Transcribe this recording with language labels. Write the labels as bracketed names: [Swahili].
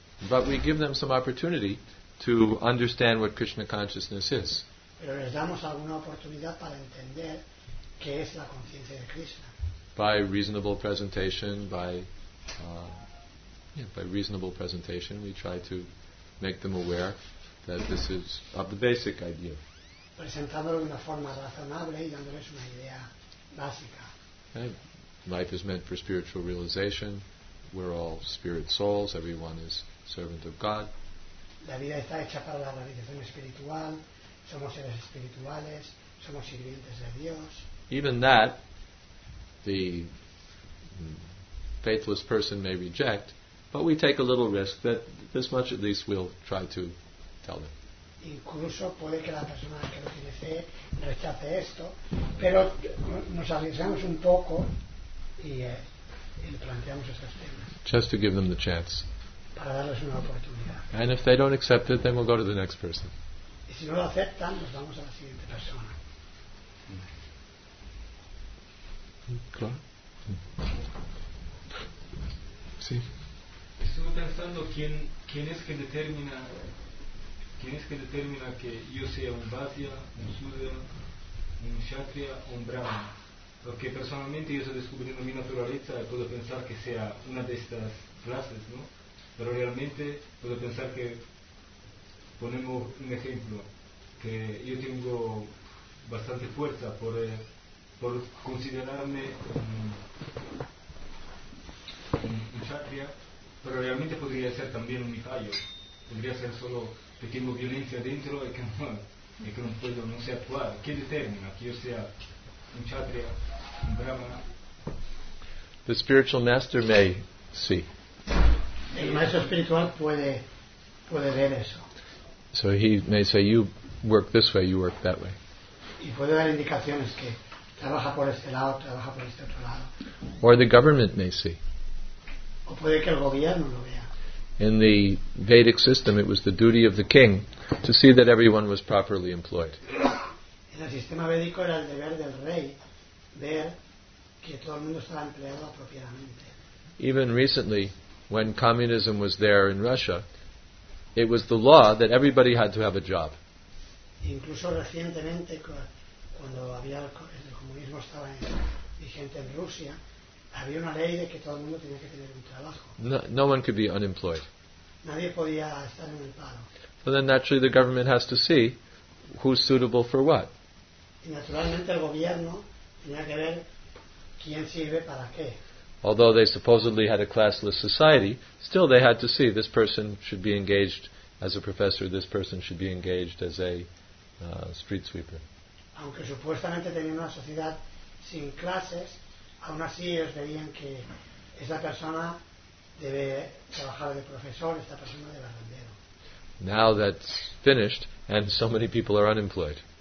[English] But we give them some opportunity to understand what Krishna consciousness is. [Spanish] Pero les damos alguna oportunidad para entender qué es la conciencia de Krishna. [English] By reasonable presentation, by reasonable presentation, we try to make them aware that this is of the basic idea. [Spanish] Presentándolo de una forma razonable y dándoles una idea básica. [English] And life is meant for spiritual realization. We're all spirit souls. Everyone is servant of God. [Spanish] La vida está hecha para la realización espiritual. Somos seres espirituales, somos sirvientes de Dios. [English] Even that, the faithless person may reject, but we take a little risk that this much at least we'll try to tell them. [Spanish] Incluso puede que la persona que no tiene fe rechace esto, pero nos arriesgamos un poco y planteamos estos temas. [English] Just to give them the chance. [Spanish] Para darles una oportunidad. [English] And if they don't accept it, then we'll go to the next person. [Spanish] Y Si no lo aceptan, nos vamos a la siguiente persona. Claro. Sí. Estuve pensando quién es que determina, quién es que determina que yo sea un Vatia, un Sudra, un Kshatriya, un Brahma. Porque personalmente yo estoy descubriendo mi naturaleza y puedo pensar que sea una de estas clases, ¿no? Pero realmente puedo pensar que, ponemos un ejemplo, que yo tengo bastante fuerza por considerarme un Kshatriya, pero realmente podría ser también un Mihayo. Podría ser solo que tengo violencia dentro y que no puedo, no sé actuar. ¿Qué determina que yo sea un Kshatriya? [English] The spiritual master may see. [Spanish] El maestro espiritual puede ver eso. [English] So he may say, you work this way, you work that way. [Spanish] Y puede dar indicaciones que trabaja por este lado, trabaja por este otro lado. [English] Or the government may see. [Spanish] O puede que el gobierno lo vea. [English] In the Vedic system, it was the duty of the king to see that everyone was properly employed. [Spanish] En el sistema védico era el deber del rey ver que todo el mundo estaba empleado apropiadamente. [English] Even recently, when communism was there in Russia, it was the law that everybody had to have a job. [Spanish] Incluso recientemente, cuando había el comunismo estaba vigente en Rusia, había una ley de que todo el mundo tenía que tener un trabajo. [English] No one could be unemployed. [Spanish] Nadie podía estar en el paro. [English] So then naturally the government has to see who's suitable for what. [Spanish] Y naturalmente el gobierno tenía que ver quién sirve para qué. [English] Although they supposedly had a classless society, still they had to see this person should be engaged as a professor, this person should be engaged as a street sweeper. [Spanish] Aunque supuestamente tenían una sociedad sin clases, aún así ellos veían que esa persona debe trabajar de profesor, esta persona de barrendero. [English] Now that's finished and so many people are unemployed.